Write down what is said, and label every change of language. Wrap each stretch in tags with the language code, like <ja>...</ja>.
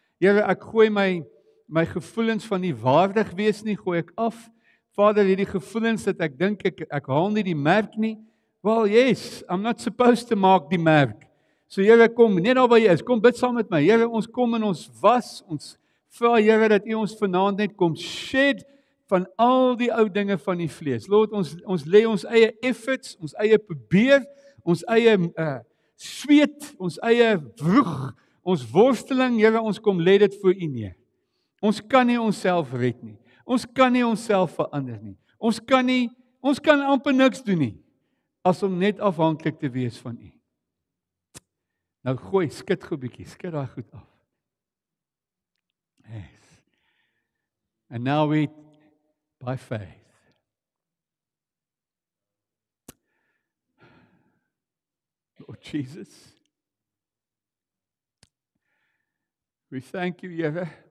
<af>Here, ek gooi my gevoelens van nie waardig wees nie, gooi ek af. Vader, hierdie gevoelens dat ek dink ek haal nie die merk nie.</af> <en>Well, yes, I'm not supposed to make</en> <af>die merk. So Here, kom, net daar waar jy is, kom bid saam met my. Here, ons kom en ons was, ons vra Here dat U ons vanaand net kom shed van al die ou dinge van die vlees. Lord, ons lê ons eie efforts, ons eie probeer, ons eie sweet, ons eie vroeg, ons worsteling, Here, ons kom lê dit voor U neer. Ons kan nie onsself red nie. Ons kan nie onsself verander nie. Ons kan amper niks doen nie, as om net afhanklik te wees van U. Nou gooi, skud gou 'n bietjie, skud daai goed af.</af> <en>Yes. And now we, by faith, Lord Jesus, we thank you, Here.</en>